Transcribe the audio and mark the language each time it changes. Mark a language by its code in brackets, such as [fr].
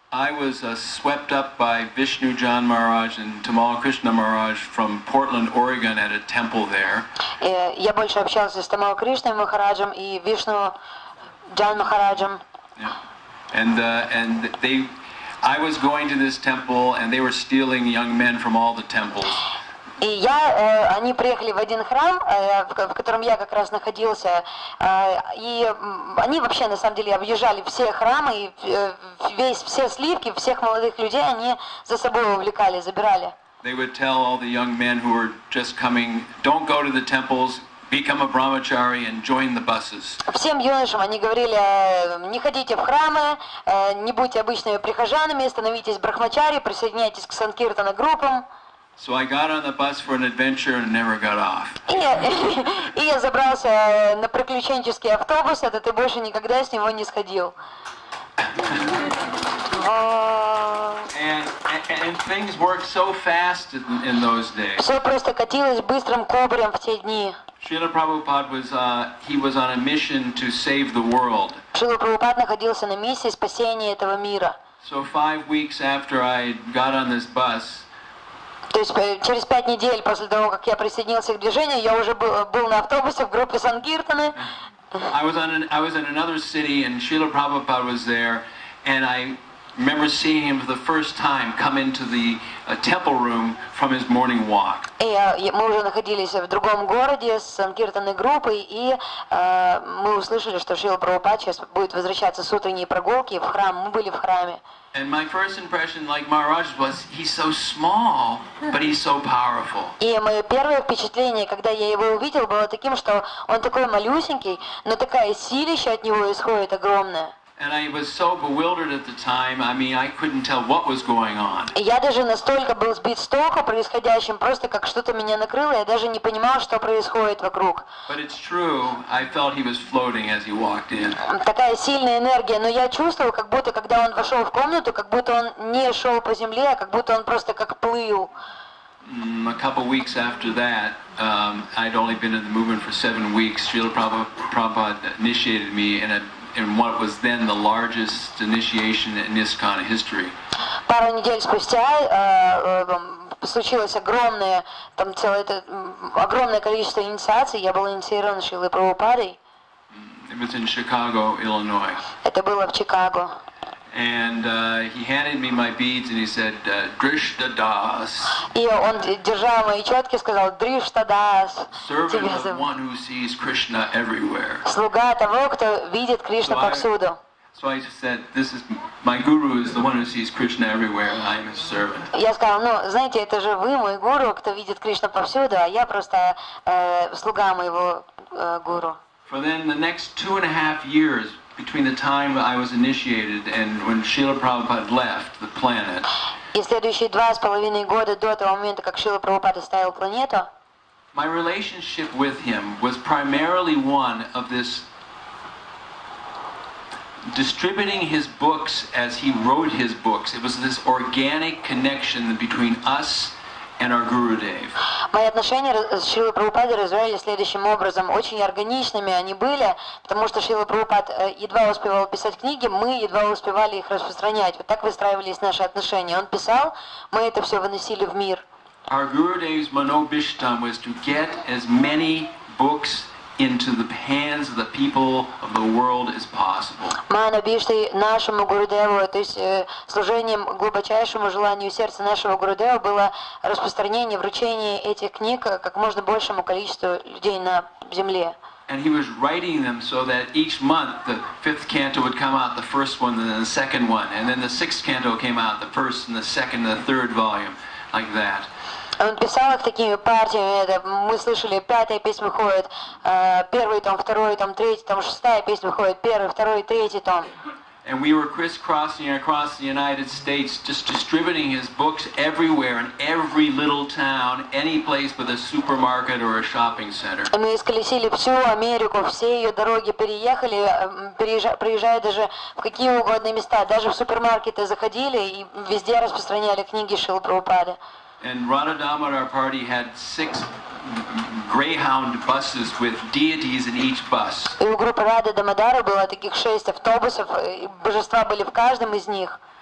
[en] I was swept up by Vishnu John Maharaj and Tamal Krishna Maharaj from Portland, Oregon at a temple there. [ru] Я больше общался с Тамал Кришной Махараджем и Вишну Джан Махараджем. [en] I was going to this temple and they were stealing young men from all the temples. [ru] И я, они приехали в один храм, в котором я как раз находился, и они вообще на самом деле объезжали все храмы, и все сливки, всех молодых людей они за собой увлекали, забирали. [en] They would tell all the young men who were just coming, don't go to the temples, become a brahmachari and join the buses. [ru] Всем юношам они говорили, не ходите в храмы, не будьте обычными прихожанами, становитесь брахмачари, присоединяйтесь к санкиртана группам. [en] So I got on the bus for an adventure and never got off. [ru] И я забрался на приключенческий автобус, а ты больше никогда с него не сходил. [en] And things worked so fast in those days. [ru] Все просто катилось быстрым кобрем в те дни. [en] Srila Prabhupada was he was on a mission to save the world. [ru] Srila Prabhupada находился на миссии спасения этого мира. [en] So 5 weeks after I got on this bus. [ru] То есть через 5 недель после того, как я присоединился к движению, я уже был на автобусе в группе Сангиртаны. [en] I was in another city and Srila Prabhupada was there and I remember seeing him for the first time come into the temple room from his morning walk. [ru] Мы уже находились в другом городе с санкиртанной группой, и мы услышали, что Шрила Прабхупада сейчас будет возвращаться с утренней прогулки в храм. Мы были в храме. [en] And my first impression, like Maharaj, was he's so small, but he's so powerful. [ru] И мое первое впечатление, когда я его увидел, было таким, что он такой малюсенький, но такая силища от него исходит огромная. [en] And I was so bewildered at the time. I mean, I couldn't tell what was going on. [ru] Я даже настолько был сбит с толку происходящим, просто как что-то меня накрыло, я даже не понимал, что происходит вокруг. [en] But it's true. I felt he was floating as he walked in. [ru] Такая сильная энергия, но я чувствовал, как будто когда он вошел в комнату, как будто он не шел по земле, а как будто он просто как плыл. [en] A couple weeks after that, I'd only been in the movement for 7 weeks. Srila Prabhupada initiated me in what was then the largest initiation in ISKCON history. [ru] Пару недель спустя случилось огромное, там целое огромное количество инициаций. Я был инициирован Шрилой Прабхупадой. [en] It was in Chicago, Illinois. [ru] Это было в Чикаго. [en] And he handed me my beads and he said, "Drishta das." [ru] И он держал мои четки, сказал, "Drishta das." [en] Servant of one who sees Krishna everywhere. [ru] Слуга того, кто видит Кришну повсюду. [en] So I just said, "This is my guru is the one who sees Krishna everywhere. I am his servant." [ru] Я сказал, ну знаете, это же вы мой гуру, кто видит Кришну повсюду, а я просто слуга моего гуру. [en] For then the next 2.5 years. Between the time I was initiated and when Srila Prabhupada left the planet. [ru] И следующие 2.5 года до того момента, как Шрила Прабхупада оставил планету. [en] My relationship with him was primarily one of this distributing his books as he wrote his books. It was this organic connection between us and our Guru Dev. [ru] Мои отношения с Шрилой Прабхупадой развивались следующим образом. Очень органичными они были, потому что Шрила Прабхупад едва успевал писать книги, мы едва успевали их распространять. Вот так выстраивались наши отношения. Он писал, мы это все выносили в мир. [en] Our Guru Dev's Manobishtam was to get as many books into the hands of the people of the world as possible. [ru] Манобишти нашему Гурудеву, то есть служением глубочайшему желанию сердца нашего Гурудева было распространение, вручение этих книг как можно большему количеству людей на земле. [en] And he was writing them so that each month the fifth canto would come out, the first one, and then the second one, and then the sixth canto came out, the first, and the second, and the third volume, like that. [ru] Он писал их такими партиями, мы слышали, пятая песня выходит, первый том, второй том, третий том, шестая песня выходит, первый, второй, третий том. [en] And we were crisscrossing across the United States, just distributing his books everywhere, in every little town, any place with a supermarket or a shopping center. [ru] Мы исколесили всю Америку, все ее дороги переехали, приезжая даже в какие угодно места, даже в супермаркеты заходили и везде распространяли книги Шрилы Прабхупады. [en] And Radha Damodar Party had 6 Greyhound buses with deities in each bus. [ru] И у группы Рады Дамодара было таких 6 автобусов, и божества были в каждом из них.